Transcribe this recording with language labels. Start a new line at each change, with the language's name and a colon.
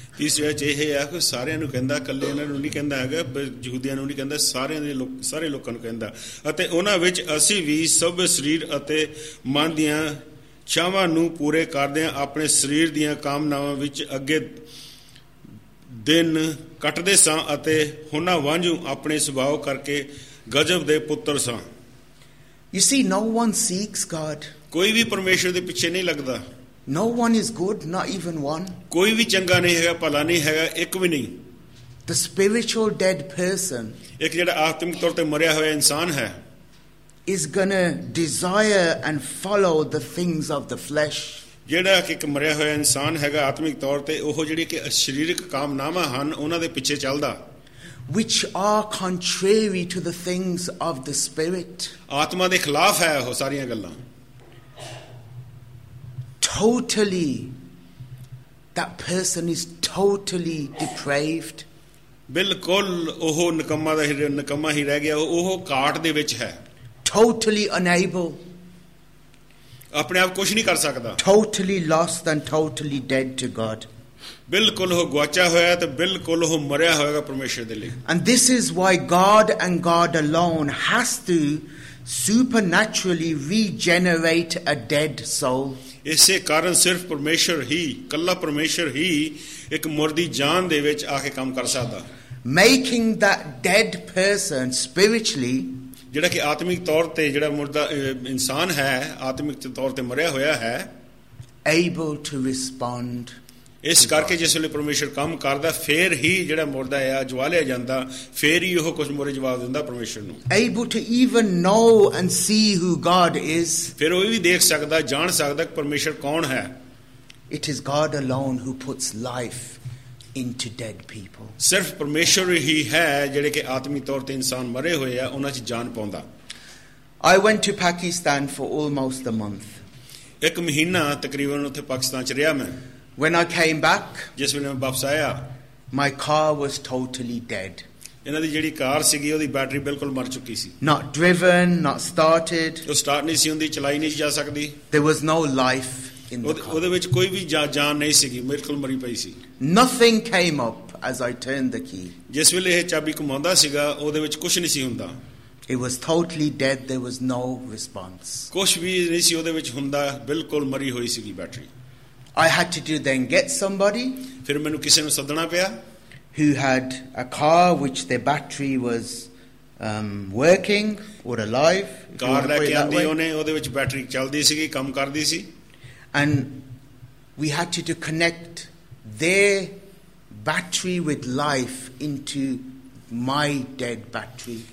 Punjabi: ਇਸ ਵਿੱਚ ਇਹ ਆ ਕਿ ਸਾਰਿਆਂ ਨੂੰ ਕਹਿੰਦਾ ਇਕੱਲੇ ਇਹਨਾਂ ਨੂੰ ਨਹੀਂ ਕਹਿੰਦਾ ਹੈਗਾ ਯਹੂਦੀਆਂ ਨੂੰ ਨਹੀਂ ਕਹਿੰਦਾ ਸਾਰਿਆਂ ਦੇ ਸਾਰੇ ਲੋਕਾਂ ਨੂੰ ਕਹਿੰਦਾ ਅਤੇ ਉਹਨਾਂ ਵਿੱਚ ਅਸੀਂ ਵੀ ਸਭ ਸਰੀਰ ਅਤੇ ਮਨ ਦੀਆਂ ਇੱਛਾਵਾਂ ਨੂੰ ਪੂਰੇ ਕਰਦੇ ਹਾਂ ਆਪਣੇ ਸਰੀਰ ਦੀਆਂ ਕਾਮਨਾਵਾਂ ਵਿੱਚ ਅੱਗੇ ਦਿਨ ਕੱਟਦੇ ਸਾਂ ਅਤੇ ਉਹਨਾਂ ਵਾਂਝੂ ਆਪਣੇ ਸੁਭਾਅ ਕਰਕੇ ਗਜ਼ਬ ਦੇ ਪੁੱਤਰ ਸਾਂ
English: you see no one seeks God
Punjabi: ਕੋਈ ਵੀ ਪਰਮੇਸ਼ਵਰ ਦੇ ਪਿੱਛੇ ਨਹੀਂ ਲੱਗਦਾ
English: No one is good, not even one.
Punjabi: ਕੋਈ ਵੀ ਚੰਗਾ ਨਹੀਂ ਹੈਗਾ, ਭਲਾ ਨਹੀਂ ਹੈਗਾ, ਇੱਕ ਵੀ ਨਹੀਂ.
English: The spiritual dead person,
Punjabi: ਇੱਕ ਜਿਹੜਾ ਆਤਮਿਕ ਤੌਰ ਤੇ ਮਰਿਆ ਹੋਇਆ ਇਨਸਾਨ ਹੈ,
English: is gonna desire and follow the things of the flesh.
Punjabi: ਜਿਹੜਾ ਕਿ ਇੱਕ ਮਰਿਆ ਹੋਇਆ ਇਨਸਾਨ ਹੈਗਾ ਆਤਮਿਕ ਤੌਰ ਤੇ ਉਹ ਜਿਹੜੀ ਕਿ ਸਰੀਰਕ ਕਾਮਨਾਵਾਂ ਹਨ ਉਹਨਾਂ ਦੇ ਪਿੱਛੇ ਚੱਲਦਾ.
English: Which are contrary to the things of the spirit.
Punjabi: ਆਤਮਾ ਦੇ ਖਿਲਾਫ ਹੈ ਉਹ ਸਾਰੀਆਂ ਗੱਲਾਂ.
English: totally, that person is totally depraved.
Punjabi: ਬਿਲਕੁਲ ਉਹ ਨਿਕੰਮਾ ਦਾ ਹੀ ਨਿਕੰਮਾ ਹੀ ਰਹਿ ਗਿਆ, ਉਹ ਕਾਟ ਦੇ ਵਿੱਚ ਹੈ.
English: Totally unable.
Punjabi: ਆਪਣੇ ਆਪ ਕੁਛ ਨਹੀਂ ਕਰ ਸਕਦਾ.
English: Totally lost and totally dead to God.
Punjabi: ਬਿਲਕੁਲ ਉਹ ਗਵਾਚਿਆ ਹੋਇਆ ਤੇ ਬਿਲਕੁਲ ਉਹ ਮਰਿਆ ਹੋਇਆ ਪਰਮੇਸ਼ਰ ਦੇ ਲਈ.
English: And this is why God and God alone has to supernaturally regenerate a dead soul.
Punjabi: ਇਸੇ ਕਾਰਨ ਸਿਰਫ ਪਰਮੇਸ਼ਰ ਹੀ, ਕੱਲਾ ਪਰਮੇਸ਼ਰ ਹੀ ਇੱਕ ਮੁਰਦੀ ਜਾਨ ਦੇ ਵਿੱਚ ਆ ਕੇ ਕੰਮ ਕਰ ਸਕਦਾ.
English: Making that dead person spiritually,
Punjabi: ਜਿਹੜਾ ਕਿ ਆਤਮਿਕ ਤੌਰ ਤੇ ਜਿਹੜਾ ਮੁਰਦਾ ਇਨਸਾਨ ਹੈ, ਆਤਮਿਕ ਤੌਰ ਤੇ ਮਰਿਆ ਹੋਇਆ ਹੈ,
English: able to respond.
Punjabi: ਇਸ ਕਰਕੇ ਜਿਸ ਵੇਲੇ ਪਰਮੇਸ਼ਰ ਕੰਮ ਕਰਦਾ, ਫਿਰ ਹੀ ਜਿਹੜਾ ਮੁਰਦਾ ਆ ਜਵਾਲਿਆ ਜਾਂਦਾ, ਫਿਰ ਹੀ ਉਹ ਕੁਝ ਮੁਰੇ ਜਵਾਬ ਦਿੰਦਾ ਪਰਮੇਸ਼ਰ ਨੂੰ.
English: Able to even know and see who God is.
Punjabi: ਫਿਰ ਉਹ ਵੀ ਦੇਖ ਸਕਦਾ, ਜਾਣ ਸਕਦਾ ਕਿ ਪਰਮੇਸ਼ਰ ਕੌਣ ਹੈ.
English: It is God alone who puts life into dead people.
Punjabi: ਸਿਰਫ ਪਰਮੇਸ਼ਰ ਹੀ ਹੈ ਜਿਹੜੇ ਕਿ ਆਤਮੀ ਤੌਰ ਤੇ ਇਨਸਾਨ ਮਰੇ ਹੋਏ ਆ ਉਹਨਾਂ 'ਚ ਜਾਨ ਪਾਉਂਦਾ.
English: I went to Pakistan for almost a month.
Punjabi: ਇੱਕ ਮਹੀਨਾ ਤਕਰੀਬਨ ਉੱਥੇ ਪਾਕਿਸਤਾਨ 'ਚ ਰਿਹਾ ਮੈਂ.
English: When I came back,
Punjabi: ਜਿਸ ਵੇਲੇ ਮੈਂ ਵਾਪਸ ਆਇਆ,
English: my car was totally dead.
Punjabi: ਇਹਨਾਂ ਦੀ ਜਿਹੜੀ ਕਾਰ ਸੀਗੀ ਉਹਦੀ ਬੈਟਰੀ ਬਿਲਕੁਲ ਮਰ ਚੁੱਕੀ ਸੀ.
English: Not driven, not started.
Punjabi: ਉਹ ਸਟਾਰਟ ਨਹੀਂ ਸੀ ਹੁੰਦੀ, ਚਲਾਈ ਨਹੀਂ ਜਾ ਸਕਦੀ.
English: There was no life in the car.
Punjabi: ਉਹਦੇ ਵਿੱਚ ਕੋਈ ਵੀ ਜਾਨ ਨਹੀਂ ਸੀਗੀ, ਬਿਲਕੁਲ ਮਰੀ ਪਈ ਸੀ.
English: Nothing came up as I turned the key.
Punjabi: ਜਿਸ ਵੇਲੇ ਇਹ ਚਾਬੀ ਘੁਮਾਉਂਦਾ ਸੀਗਾ ਉਹਦੇ ਵਿੱਚ ਕੁਝ ਨਹੀਂ ਸੀ ਹੁੰਦਾ.
English: It was totally dead, there was no response.
Punjabi: ਕੁਝ ਵੀ ਨਹੀਂ ਸੀ ਉਹਦੇ ਵਿੱਚ ਹੁੰਦਾ, ਬਿਲਕੁਲ ਮਰੀ ਹੋਈ ਸੀਗੀ battery.
English: I had to then get somebody
Punjabi: ਫਿਰ ਮੈਨੂੰ ਕਿਸੇ ਨੂੰ ਸੱਦਣਾ ਪਿਆ
English: who had a car which their battery was working or alive.
Punjabi: ਕਾਰ ਲੈ ਕੇ ਆਂਦੀ ਉਹਨੇ, ਉਹਦੇ ਵਿੱਚ ਬੈਟਰੀ ਚੱਲਦੀ ਸੀਗੀ, ਕੰਮ ਕਰਦੀ ਸੀ.
English: And we had to connect their battery with life into my dead battery.